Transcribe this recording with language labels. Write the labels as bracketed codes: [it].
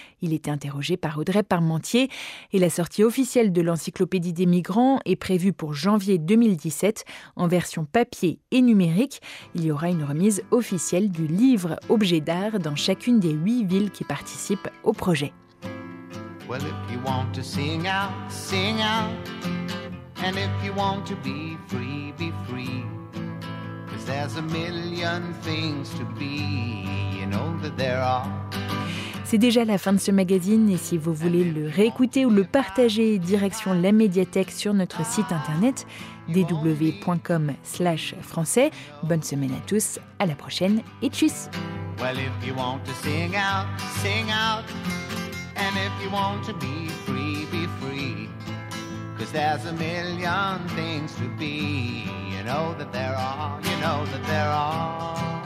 [fr] Il était interrogé par Audrey Parmentier. Et la sortie officielle de l'encyclopédie des migrants est prévue pour janvier 2017 en version papier et numérique. Il y aura une remise officielle du livre Objet d'art dans chacune des 8 villes qui participent au projet. [en] Well, if you want to sing out, sing out. And if you want to be free, 'cause there's a million things to be, you know that there are. [fr] C'est déjà la fin de ce magazine, et si vous voulez le réécouter ou le partager, direction la médiathèque sur notre site internet dw.com/français. Bonne semaine à tous, à la prochaine, et tchuss. [en] Well, if you want to sing out, sing out. And if you want to be free, be free. 'Cause there's a million things to be, you know that there are, you know that there are.